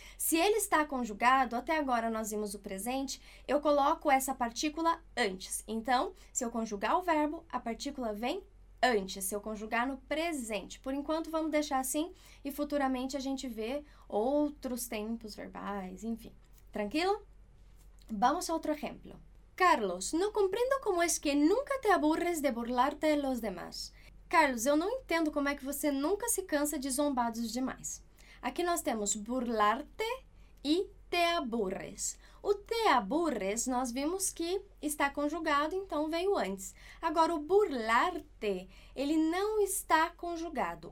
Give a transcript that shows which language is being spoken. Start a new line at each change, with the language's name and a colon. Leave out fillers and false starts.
Portuguese: Se ele está conjugado, até agora nós vimos o presente, eu coloco essa partícula antes. Então, se eu conjugar o verbo, a partícula vem antes, se eu conjugar no presente. Por enquanto, vamos deixar assim e futuramente a gente vê outros tempos verbais, enfim.
Spanish: Tranquilo? Vamos a otro ejemplo. Carlos, no comprendo cómo es que nunca te aburres de burlarte de los demás.
Portuguese: Carlos, eu não entendo como é que você nunca se cansa de zombar dos demais. Aqui nós temos burlarte e te aburres. O te aburres nós vimos que está conjugado, então veio antes. Agora, o burlarte, ele não está conjugado.